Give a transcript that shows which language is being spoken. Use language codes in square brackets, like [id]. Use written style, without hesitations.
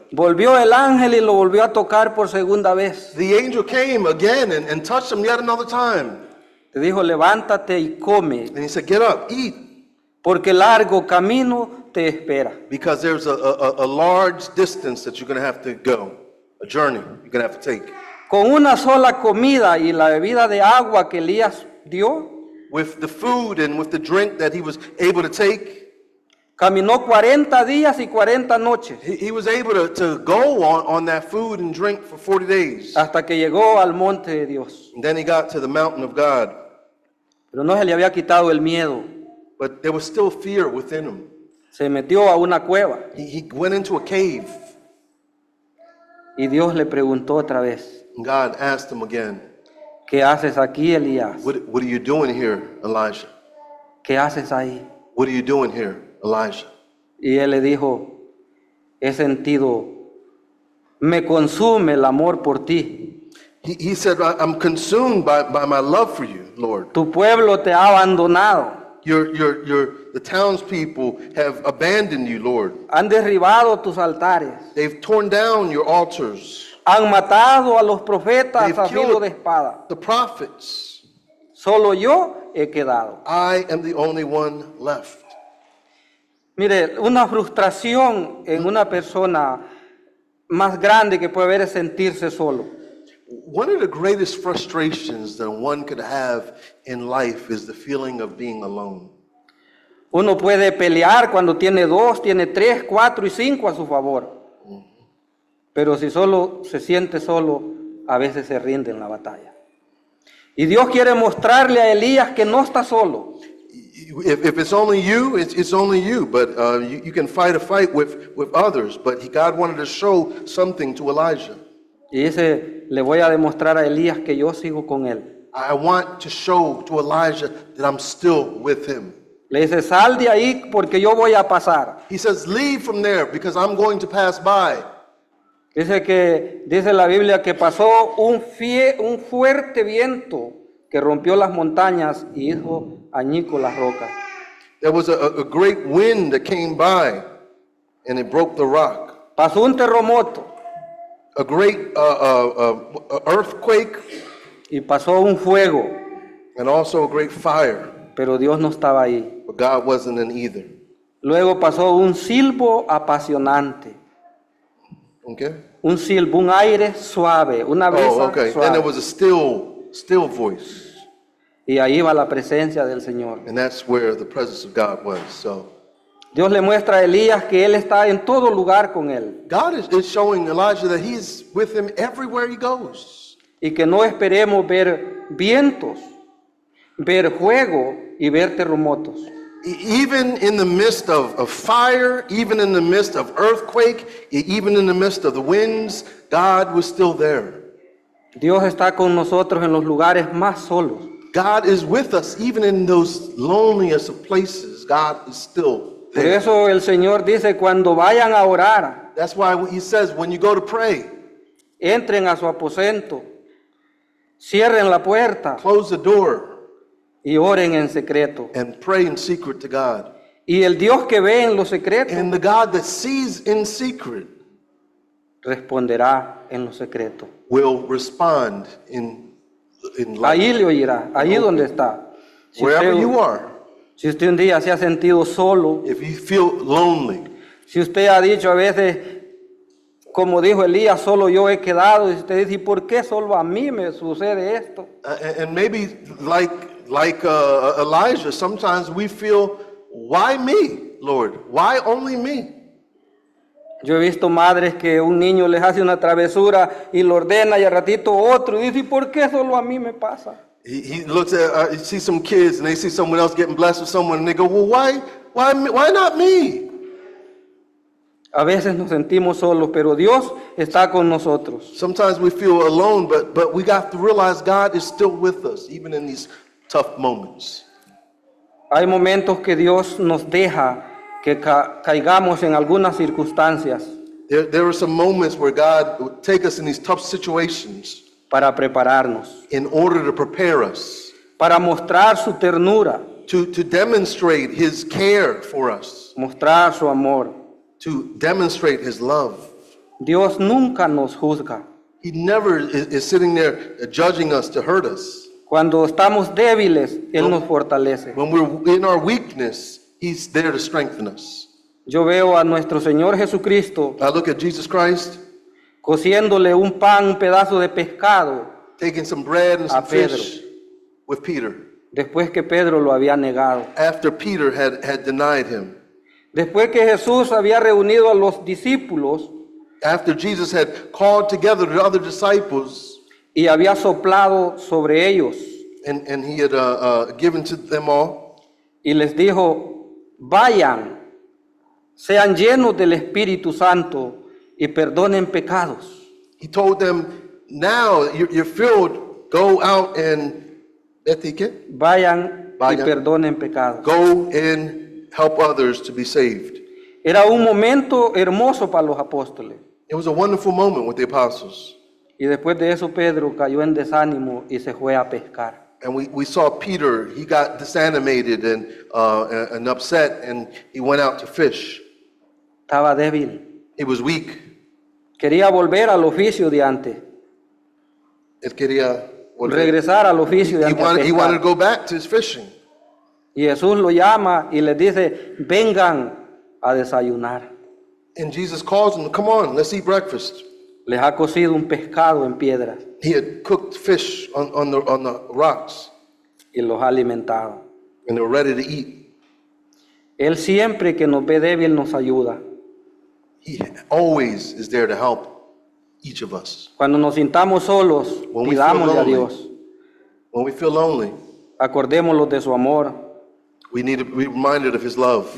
[es] Volvió el ángel y lo volvió a tocar por segunda vez. [en] The angel came again and touched him yet another time. [es] Te dijo, levántate y come. [en] And he said, get up, eat. [es] Porque largo camino te espera. [en] Because there's a large distance that you're going to have to go. A journey you're going to have to take. [es] Con una sola comida y la bebida de agua que Elías dio. [en] With the food and with the drink that he was able to take. [es] Caminó 40 días y 40 noches. [en] He was able to go on that food and drink for 40 days. [es] Hasta que llegó al monte de Dios. [en] And then he got to the mountain of God. [es] Pero no se le había quitado el miedo. [en] But there was still fear within him. [es] Se metió a una cueva. [en] He went into a cave. [es] Y Dios le preguntó otra vez. [en] And God asked him again. [es] ¿Qué haces aquí, Elías? [en] What are you doing here, Elijah? [es] ¿Qué haces ahí? [en] What are you doing here, Elijah? [es] Y él le dijo, he sentido, me consume el amor por ti. [en] He said, I'm consumed by my love for you, Lord. [es] Tu pueblo te ha abandonado. [en] The townspeople have abandoned you, Lord. [es] Han derribado tus altares. [en] They've torn down your altars. [es] Han matado a los profetas a filo de espada. [en] The prophets. [es] Solo yo he quedado. [en] I am the only one left. [es] Mire, una frustración en una persona más grande que puede haber es sentirse solo. [en] One of the greatest frustrations that one could have in life is the feeling of being alone. [es] Uno puede pelear cuando tiene dos, tiene tres, cuatro y cinco a su favor. Pero si solo se siente solo, a veces se rinde en la batalla. Y Dios quiere mostrarle a Elías que no está solo. [en] If it's only you, it's only you. But you can fight a fight with others. But God wanted to show something to Elijah. [es] Y dice, le voy a demostrar a Elías que yo sigo con él. [en] I want to show to Elijah that I'm still with him. [es] Le dice, sal de ahí porque yo voy a pasar. [en] He says, leave from there because I'm going to pass by. [es] Dice la Biblia que pasó un fuerte viento que rompió las montañas y hizo añico las rocas. [en] There was a great wind that came by and it broke the rock. [es] Pasó un terremoto. [en] A great earthquake. [es] Y pasó un fuego. [en] And also a great fire. [es] Pero Dios no estaba ahí. [en] But God wasn't in either. [es] Luego pasó un silbo apasionante. [en] Okay. [es] Un silbo, un aire suave, una brisa suave. [en] Oh, okay. [es] Suave. [en] And there was a still voice. [es] Y ahí va la presencia del Señor. [en] And that's where the presence of God was. So. [es] Dios le muestra a Elías que él está en todo lugar con él. [en] God is showing Elijah that he's with him everywhere he goes. [es] Y que no esperemos ver vientos, ver fuego y ver terremotos. [en] Even in the midst of fire, even in the midst of earthquake, even in the midst of the winds, God was still there. [es] Dios está con nosotros en los lugares más solos. [en] God is with us even in those loneliest of places. God is still there. [es] Por eso el Señor dice cuando vayan a orar. [en] That's why he says when you go to pray, [es] entren a su aposento, cierren la puerta, [en] close the door, [es] y oren en secreto. [en] And pray in secret to God. [es] Y el Dios que ve en lo secreto, [en] and the God that sees in secret, [es] responderá en lo secreto. [en] Will respond in love. [es] Ahí le oirá, ahí open. Donde está. [en] Si wherever usted, you are. [es] Si usted un día se ha sentido solo, [en] if you feel lonely. [es] Si usted ha dicho a veces, como dijo Elías, solo yo he quedado. Y usted dice, ¿y por qué solo a mí me sucede esto? [en] And maybe like Elijah, sometimes we feel, why me, Lord? Why only me? [es] Yo he visto madres que un niño les hace una travesura y lo ordena y al ratito otro y dice, ¿por qué solo a mí me pasa? [en] He looks at, he sees some kids and they see someone else getting blessed with someone and they go, well, why not me? [es] A veces nos sentimos solos, pero Dios está con nosotros. [en] Sometimes we feel alone, but we got to realize God is still with us, even in these tough moments. [es] Hay momentos que Dios nos deja que caigamos en algunas circunstancias. [en] There are some moments where God will take us in these tough situations. [es] Para prepararnos. [en] In order to prepare us. [es] Para mostrar su ternura. [en] To demonstrate his care for us. [es] Mostrar su amor. [en] To demonstrate his love. [es] Dios nunca nos juzga. [en] He never is sitting there judging us to hurt us. [es] Cuando estamos débiles, él nos fortalece. [en] When we're in our weakness, he's there to strengthen us. [es] Yo veo a nuestro Señor Jesucristo. [en] I look at Jesus Christ. [es] Cociéndole un pan, un pedazo de pescado. [en] Taking some bread and some fish with Peter. [es] Después que Pedro lo había negado. [en] After Peter had denied him. [es] Después que Jesús había reunido a los discípulos. [en] After Jesus had called together the other disciples. [es] Y había soplado sobre ellos. [en] And he had given to them all. [es] Y les dijo, vayan, sean llenos del Espíritu Santo y perdonen pecados. [en] He told them, now you're filled, go out and, [es] vayan y perdonen pecados. [en] Go and help others to be saved. [es] Era un momento hermoso para los apóstoles. [en] It was a wonderful moment with the apostles. [es] Y después de eso Pedro cayó en desánimo y se fue a pescar. [en] And we saw Peter, he got disanimated and upset and he went out to fish. [es] Estaba débil. [en] He was weak. [es] Quería volver al oficio de antes. Él quería volver. Regresar al oficio de antes. [en] He wanted to go back to his fishing. [es] Y Jesús lo llama y le dice, vengan a desayunar. [en] And Jesus calls him, come on, let's eat breakfast. [es] Les ha cocido un pescado en piedras. [en] He had cooked fish on the rocks. [es] Y los ha alimentado. [en] And they were ready to eat. [es] Él siempre que nos ve débil nos ayuda. [en] He always is there to help. each of us. [es] Cuando nos sintamos solos, pidámosle a Dios. [en] When we feel lonely, [es] acordémonos de su amor. [en] We need to be reminded of his love.